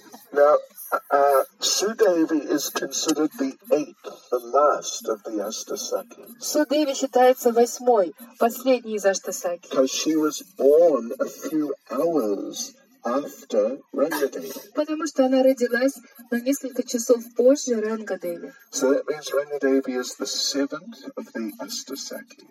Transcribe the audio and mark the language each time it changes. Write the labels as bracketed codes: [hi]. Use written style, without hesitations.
[en] Now, Sudevi is considered the eighth, the last of the Ashtasakhi. [ru] Sudevi считается восьмой, последний из Ashtasakhi. [en] Because she was born a few hours after Rangadevi. [ru] Потому что она родилась на несколько часов позже Рангадеви. [en] So that means Rangadevi is the seventh of the Ashtasakhi.